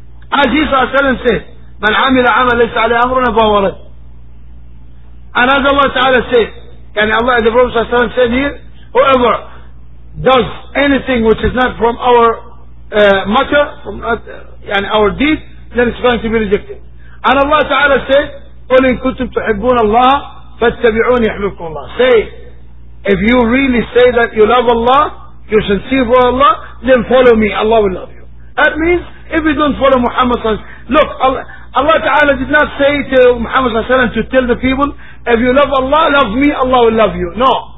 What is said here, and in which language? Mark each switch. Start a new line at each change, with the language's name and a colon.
English: As Isa sallallahu alaihi wasallam said,
Arabic: "Man amila amal laysa alayhi amruna fa huwa rad."
English: And as Allah Ta'ala said, can Allah, the Prophet sallallahu alaihi wasallam said here, whoever does anything which is not from our matter, from our deed, then it's going to be rejected. And Allah Ta'ala said,
Arabic: قُلْ إِن كُنْتُمْ تُحِبُّونَ اللَّهَ فَاتَّبِعُونِ يَحْبُبْكُمُ اللَّهُ.
English: Say, if you really say that you love Allah, you're sincere for Allah, then follow me, Allah will love you. That means, if you don't follow Muhammad sallallahu alayhi wa sallam, look, Allah Ta'ala did not say to Muhammad sallallahu alayhi wa sallam to tell the people, if you love Allah, love me, Allah will love you. No.